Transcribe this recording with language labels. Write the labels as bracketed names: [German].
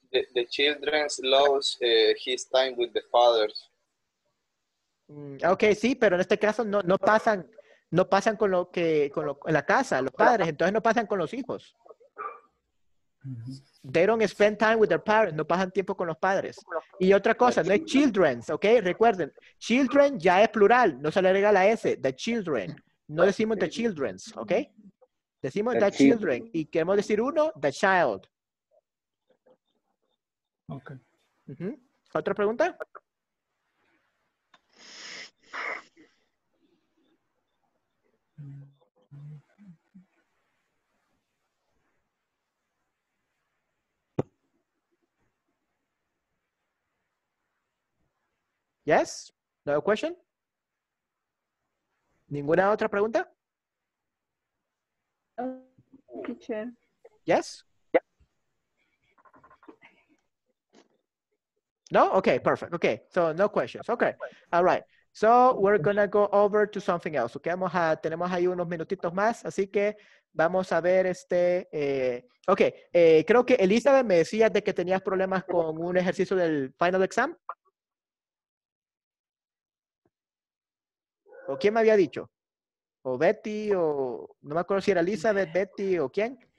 [English] The children loves his time with the fathers. [Spanish] Okay, sí, pero en este caso no pasan con lo que en la casa, los padres, entonces no pasan con los hijos. Mm-hmm. [English] They don't spend time with their parents, [Spanish] no pasan tiempo con los padres. Y otra cosa, no es children, okay? Recuerden, children ya es plural, no se le agrega la S, the children. No decimos the children, okay? Decimos the children y queremos decir uno, the child. [English] Okay. [Spanish] Uh-huh. ¿Otra pregunta? [English] Yes. No question. [Spanish] ¿Ninguna otra pregunta? [English] Teacher. Yes. No? Okay, perfect. Okay, so no questions. Okay, all right. So we're gonna go over to something else. [Spanish] Okay, tenemos ahí unos minutitos más, así que vamos a ver okay, creo que Elizabeth me decía de que tenías problemas con un ejercicio del final exam. ¿O quién me había dicho? ¿O Betty? ¿O no me acuerdo si era Elizabeth, Betty o quién?